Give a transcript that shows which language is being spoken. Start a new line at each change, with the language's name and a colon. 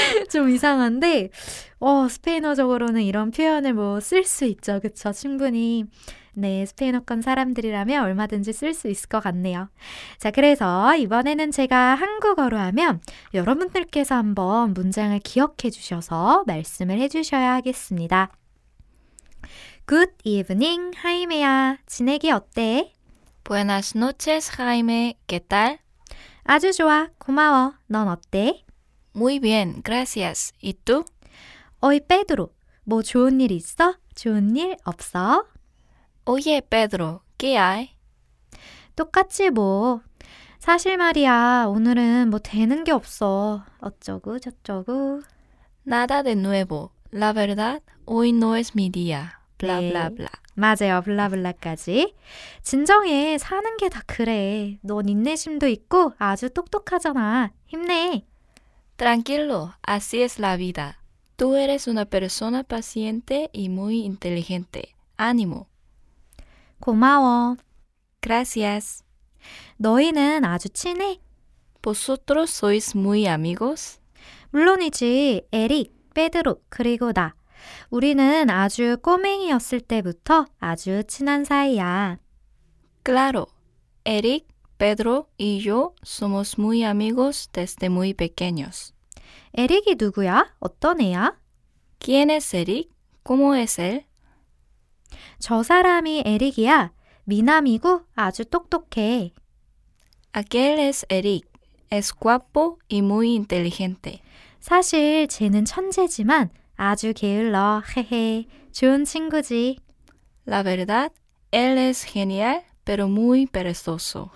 Korean: 좀 이상한데 스페인어적으로는 이런 표현을 뭐쓸수 있죠. 그쵸? 충분히 네, 스페인어권 사람들이라면 얼마든지 쓸수 있을 것 같네요. 자, 그래서 이번에는 제가 한국어로 하면 여러분들께서 한번 문장을 기억해 주셔서 말씀을 해 주셔야 하겠습니다.
English: Good evening, 하이메야.
Korean: 지내기 어때?
Spanish: Buenas noches, Jaime. ¿Qué tal?
Korean: 아주 좋아. 고마워. 넌 어때?
Spanish: Muy bien, gracias. ¿Y tú?
Korean: 어이, 페드로. 뭐 좋은 일 있어? 좋은 일 없어?
Spanish: Oye, Pedro, ¿qué hay?
Korean: 똑같지, 뭐. 사실 말이야, 오늘은 뭐 되는 게 없어. 어쩌고 저쩌고.
Spanish: Nada de nuevo. La verdad, hoy no es mi día. Bla, bla,
Korean: 네, bla. 맞아요. 블라블라까지. 진정해, 사는 게다 그래. 넌 인내심도 있고 아주 똑똑하잖아. 힘내.
Spanish: Tranquilo, así es la vida. Tú eres una persona paciente y muy inteligente. Ánimo.
Korean: 고마워.
Spanish: Gracias.
Korean: 너희는 아주 친해?
Spanish: Vosotros sois muy amigos?
Korean: 물론이지, 에릭, 페드로, 그리고 나. 우리는 아주 꼬맹이었을 때부터 아주 친한 사이야.
Spanish: Claro, Eric, Pedro y yo somos muy amigos desde muy pequeños.
Korean: Eric이 누구야? 어떤 애야?
Spanish: ¿Quién es Eric? ¿Cómo es él?
Korean: 저 사람이 에릭이야. 미남이고 아주 똑똑해.
Spanish: Aquel es Eric. Es guapo y muy inteligente.
Korean: 사실 쟤는 천재지만 아주 게을러. 헤헤. 좋은 친구지.
Spanish: La verdad, él es genial, pero muy perezoso.